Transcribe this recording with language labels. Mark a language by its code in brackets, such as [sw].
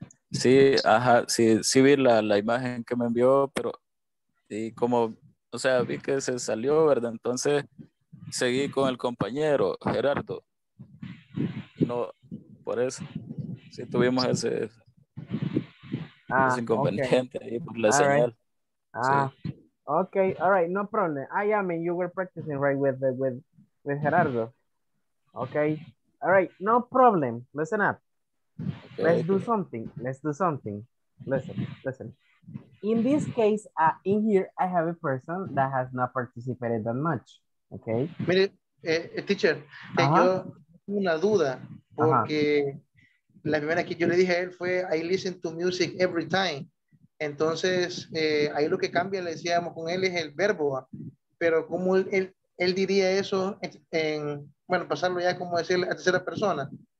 [es] Sí, ajá, sí vi la imagen que me envió, pero y como, o sea, vi que se salió, ¿verdad? Entonces seguí con el compañero Gerardo. No, por eso sí tuvimos ese inconveniente ahí por la señal. [en] All right. [es] Ah, sí. [en] Okay, all right, no problem. I mean, you were practicing right with Gerardo. Okay, all right, no problem. Listen up. Okay. Let's do something. Listen. In this case, in here, I have a person that has not participated that much. Okay. [es] Mire, teacher, tengo una duda porque la primera que yo le dije a él fue [en] I listen to music every time. [es] Entonces, ahí lo que cambia, le decíamos con él, es el verbo. Pero como él diría eso en pasarlo ya como decir a tercera persona.